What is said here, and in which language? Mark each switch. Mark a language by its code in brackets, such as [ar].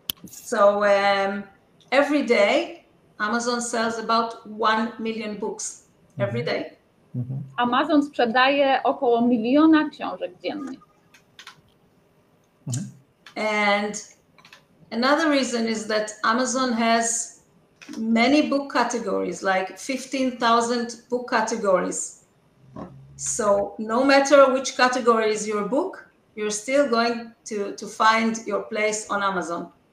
[en] So every day Amazon sells about 1 million books every day. Mm-hmm. [pl] Amazon sprzedaje około miliona książek dziennie. [en] And another reason is that Amazon has many book categories, like 15,000 book categories. So no matter which category is your book, you're still going to find your place on Amazon.